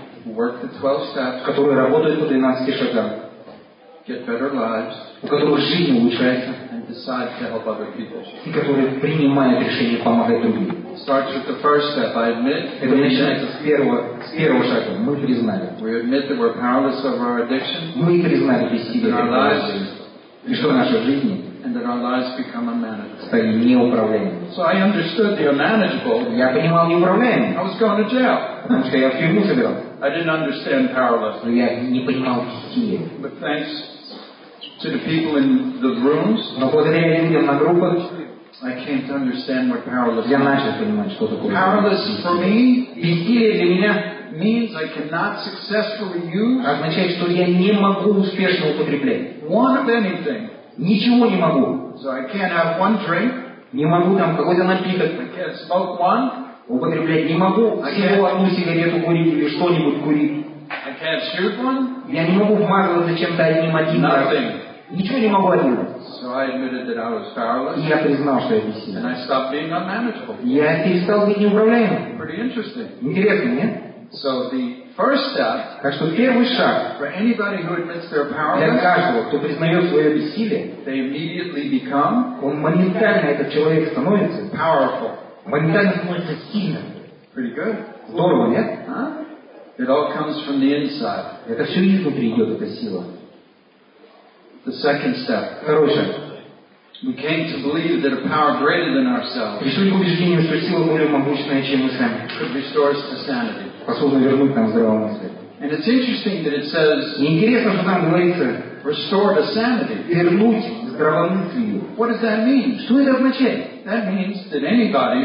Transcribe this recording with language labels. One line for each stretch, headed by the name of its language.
English: Who work the 12 steps.
Russian: Которые работают по 12 шагам.
English: Get better lives.
Russian: У которых жизнь улучшается.
English: And decide to help other people.
Russian: И которые принимают решение помогать другим.
English: Starts with the first step. I admit.
Russian: Это начинается с первого шага. Мы признали.
English: We admit that we're powerless over our addiction.
Russian: Мы признали бессилие. И что в нашей жизни?
English: And that our lives become unmanageable.
Russian: Стали неуправляемыми.
English: So I understood the unmanageable.
Russian: Я понимал неуправляемые.
English: I was going to jail.
Russian: Потому что я в тюрьму собирал.
English: I didn't understand powerless.
Russian: Но я не понимал бессилие.
English: But thanks to the people in the rooms.
Russian: Но благодаря людям на группах.
English: I came to understand what powerless means.
Russian: Я начал понимать, что такое.
English: Powerless for me,
Russian: бессилие для меня,
English: means I cannot successfully use.
Russian: Означает, что я не могу успешно употреблять.
English: One of anything.
Russian: Ничего не могу.
English: So I can't have one drink.
Russian: Не могу там какой-то напиток.
English: I can't smoke one.
Russian: Употреблять не могу. Всего одну сигарету курить или что-нибудь курить.
English: I can't shoot one.
Russian: Я не могу вмазываться чем-то одним один.
English: Nothing.
Russian: Ничего не могу один.
English: So I admitted that I was powerless.
Russian: Я признал, что я бессилен.
English: And I stopped being unmanageable.
Russian: Я перестал быть неуправляемым.
English: Pretty interesting.
Russian: Интересно, нет?
English: So the first step.
Russian: Так что первый шаг.
English: For anybody who admits they're powerless.
Russian: Для каждого, кто признает свое бессилие.
English: They immediately become.
Russian: Он моментально, этот человек становится.
English: Powerful.
Russian: Моментально становится сильным.
English: Pretty good.
Russian: Здорово, нет?
English: Huh? It all comes from the inside.
Russian: Это все изнутри идет, эта сила.
English: The second step.
Russian: Хорошо.
English: We came to believe that a power greater than ourselves.
Russian: Пришли к убеждению, что сила более могущественная, чем мы сами.
English: Could restore us to sanity.
Russian: Способна вернуть нам здравомыслие.
English: And it's interesting that it says.
Russian: Интересно, что там говорится.
English: Restore to sanity.
Russian: Вернуть здравомыслие.
English: What does that mean?
Russian: Что это означает?
English: That means that anybody.